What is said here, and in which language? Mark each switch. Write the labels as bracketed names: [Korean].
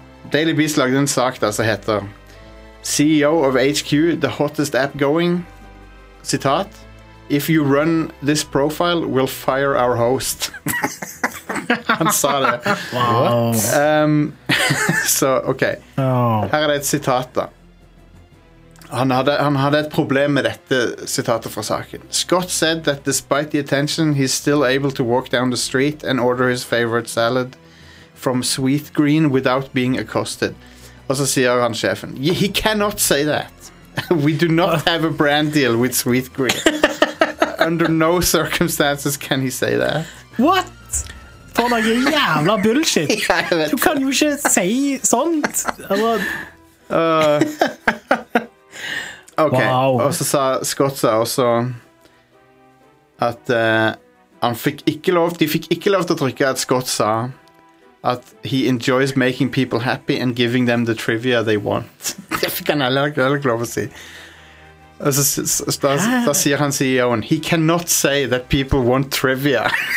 [English] Daily Beast [Norwegian] lagde en sak da, som heter [English] CEO of HQ, the hottest app going, citat, if you run this profile, we'll fire our host. [Norwegian] Han sa det. [English] Wow. [Norwegian] Så, ok. Her er det et sitat da. Han hadde et problem med dette sitatet fra saken. [English] Scott said that despite the attention, he's still able to walk down the street and order his favorite salad from Sweet Green without being accosted. [Norwegian] Og så sier han sjefen, [English] he cannot say that. We do not have a brand deal with Sweet Green. Under no circumstances can he say that. [Norwegian] What? For noe jævla bullshit. Ja, du kan jo ikke si sånt. Ok, wow. Og så sa Scott sa også at han fikk ikke lov, de fikk ikke lov til å trykke at Scott sa at [English] he enjoys making people happy and giving them the trivia they want. [Norwegian] Det fikk han heller ikke lov til å si. Og så da sier han CEO-en, [English] he cannot say that people want trivia.